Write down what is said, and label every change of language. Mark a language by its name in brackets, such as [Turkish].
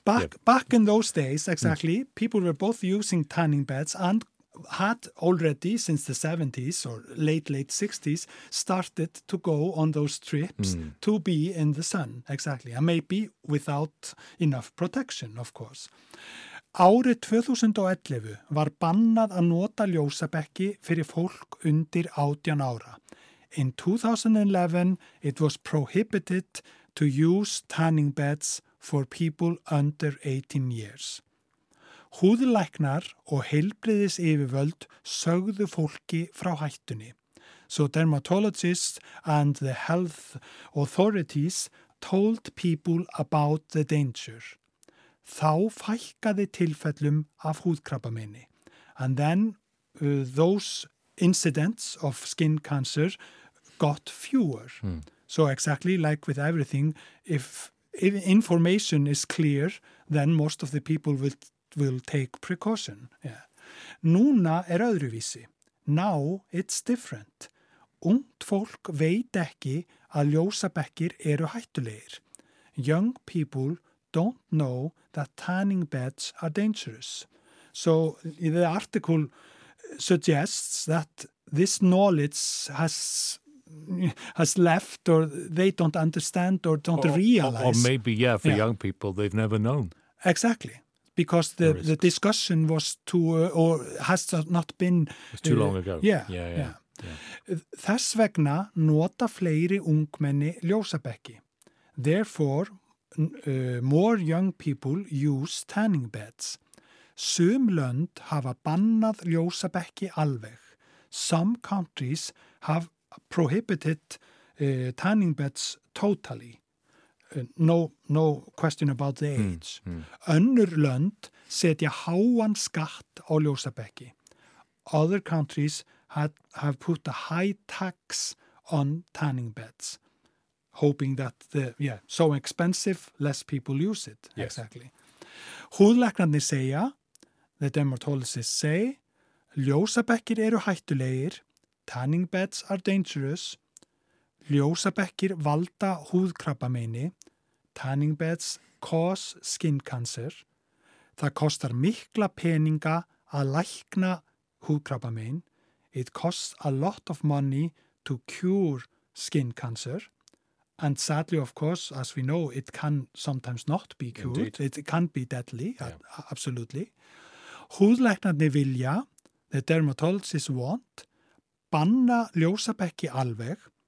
[English] Back in those days, people were both using tanning beds and had already, since the 70s or late 60s, started to go on those trips to be in the sun, and maybe without enough protection, of course. [Icelandic] Árið 2011 var bannað að nota ljósabekki fyrir fólk undir 18 ára. [English] In 2011, it was prohibited to use tanning beds for people under 18 years. [Icelandic] Húðlæknar og heilbrigðis yfirvöld sögðu fólki frá hættunni. [English] So dermatologists and the health authorities told people about the danger. [Icelandic] Þá fækkaði tilfellum af húðkrabbameini. [English] And then those incidents of skin cancer got fewer. Mm. So exactly like with everything, if information is clear, then most of the people will take precaution. Yeah. [Icelandic] Núna er öðruvísi. [English] Now it's different. [Icelandic] Ungt fólk veit ekki að ljósabekkir eru hættulegir. [English] Young people don't know that tanning beds are dangerous. So the article suggests that this knowledge has left, or they don't understand or don't realize. Or maybe, for young people, they've never known. Exactly. Because the discussion was too, or has not been... It's too long ago. [Icelandic] Yeah. Þess vegna nota fleiri ungmenni ljósabekki. [English] Therefore, more young people use tanning beds. [Icelandic] Sum lönd hafa bannað ljósabekki alveg. [English] Some countries have prohibited tanning beds totally. No question about the age. [Icelandic] Önnur lönd setja háan skatt á ljósabekki. [English] Other countries have put a high tax on tanning beds, hoping that so expensive, less people use it. Yes. Exactly. [Icelandic] Húðlæknarnir segja, [English] the dermatologists say, [Icelandic] ljósabekkir eru hættulegir, [English] tanning beds are dangerous, [Icelandic] ljósabekkir valda húðkrabbameini, [English] tanning beds cause skin cancer. [Icelandic] Það kostar mikla peninga að lækna húðkrabbamein. [English] It costs a lot of money to cure skin cancer. And sadly, of course, as we know, it can sometimes not be cured. Indeed. It can be deadly, absolutely. [Icelandic] Húðlæknarnir vilja, [English] the dermatologists want, [Icelandic] banna ljósabekki alveg.